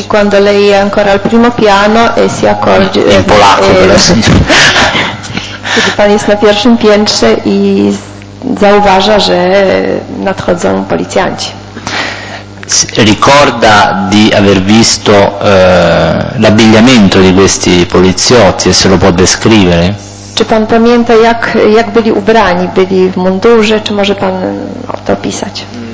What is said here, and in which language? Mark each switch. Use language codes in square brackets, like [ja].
[it] Sì, quando lei è ancora al primo piano e si accorge in polacco però sì. [pl] Quindi pan jest na pierwszym piętrze i zauważa, że nadchodzą policjanci. [it] Ricorda di aver visto l'abbigliamento di questi poliziotti e se lo può descrivere? [pl] Czy pan pamięta jak byli ubrani? Byli w mundurze, czy może pan o to opisać?